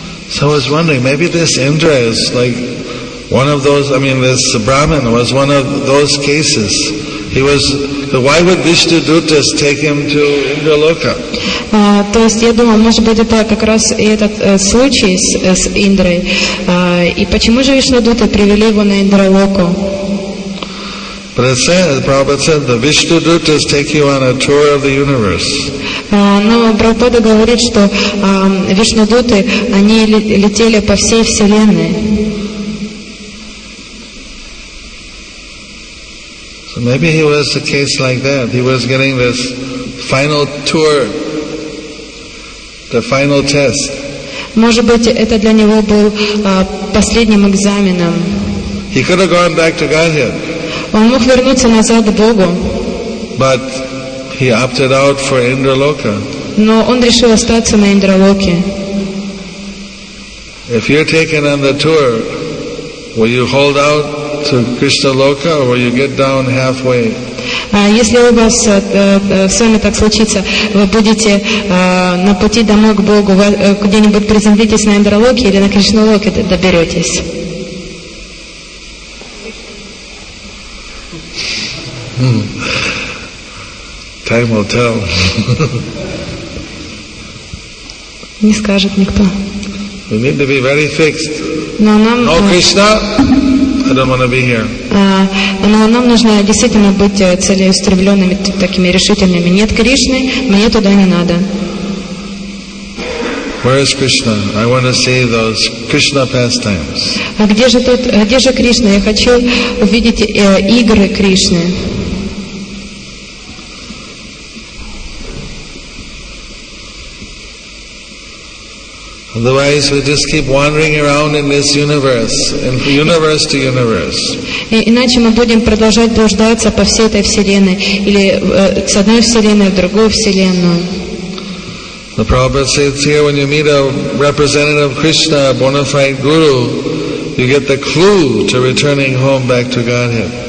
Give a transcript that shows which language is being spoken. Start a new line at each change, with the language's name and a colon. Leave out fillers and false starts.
English: So I was wondering, maybe this Indra is like one of those, I mean this Brahman was one of those cases. He was, why would Vishnudutas take him to Indraloka?
Russian: То есть я думал, может быть это как раз и этот случай с Индрой. И почему же Вишнудуты привели его на Индралоку?
English: But it says, Prabhupada said, the Vishnudutas take you on a tour of the universe.
Russian: Но Прабхупада говорит, что Вишнудуты, они летели по всей Вселенной.
English: So maybe he was a case like that. He was getting this final tour, the final test.
Russian: Может быть, это для него был последним экзаменом.
English: He could have gone back to Godhead.
Russian: Он мог вернуться назад к Богу.
English: But he opted out for Indraloka.
Russian: Но он решил остаться на Индралоке.
English: If you're taken on the tour, will you hold out to Krishna Loka or will you get down halfway?
Russian: Если у вас с вами так случится, вы будете на пути домой к Богу, где-нибудь приземлитесь на Индралоке или на Кришналоке доберетесь?
English: Time will tell.
Russian: Не скажет никто.
English: We need to be very fixed.
Russian: Но нам,
English: oh, Krishna, I don't want to be here.
Russian: Но нам нужно действительно быть целеустремленными, такими решительными. Нет Кришны, мне туда не надо.
English: Where is Krishna? I want to see those Krishna pastimes.
Russian: А где же тут? Где же Кришна? Я хочу увидеть игры Кришны.
English: Otherwise, we just keep wandering around in this universe, in universe to universe.
Russian: Иначе мы будем продолжать блуждаться по всей этой вселенной или с одной вселенной в другую вселенную.
English: The Prabhupada says here, when you meet a representative of Krishna, a bona fide guru, you get the clue to returning home back to Godhead.